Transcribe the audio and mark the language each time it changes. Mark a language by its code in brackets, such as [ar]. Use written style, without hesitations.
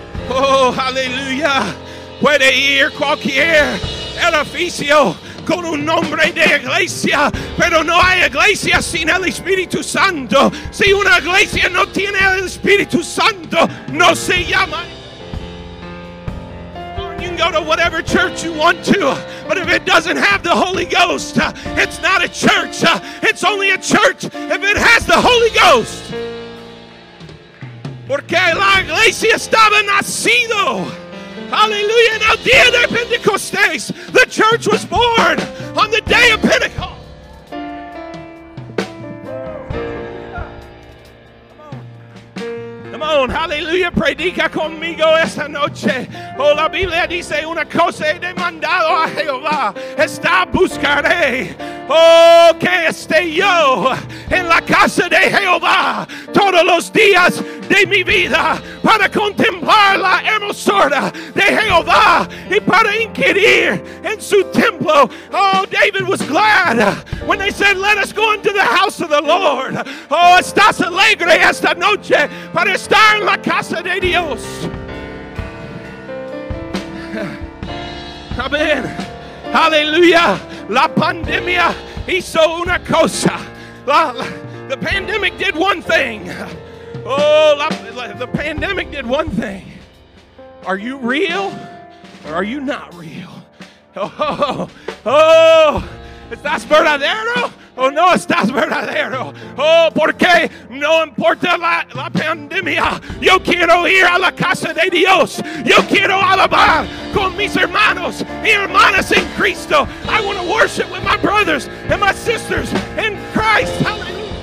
[en] Oh, hallelujah. [es] Puede ir cualquier edificio con un nombre de iglesia, pero no hay iglesia sin el Espíritu Santo. Si una iglesia no tiene el Espíritu Santo, no se llama. [en] You can go to whatever church you want to, but if it doesn't have the Holy Ghost, it's not a church. It's only a church if it has the Holy Ghost. [es] Porque la iglesia estaba nacido. Hallelujah. En el día de Pentecostés, [en] the church was born on the day of Pentecost. Come on, [es] hallelujah, predica conmigo esta noche. Oh, la Biblia dice una cosa he demandado a Jehová. Está buscaré. Oh, que esté yo en la casa de Jehová todos los días de mi vida para contemplar la hermosura de Jehová y para inquirir en su templo. [en] Oh, David was glad when they said, let us go into the house of the Lord. [es] Oh, estás alegre esta noche para estar en la casa de Dios. Amén. Hallelujah. La pandemia hizo una cosa. [en] The pandemic did one thing. Oh, the pandemic did one thing. Are you real or are you not real? [es] Oh, ¿estás verdadero o no estás verdadero? Oh, porque no importa la pandemia. Yo quiero ir a la casa de Dios. Yo quiero alabar con mis hermanos y hermanas en Cristo. [en] I want to worship with my brothers and my sisters in Christ. Hallelujah.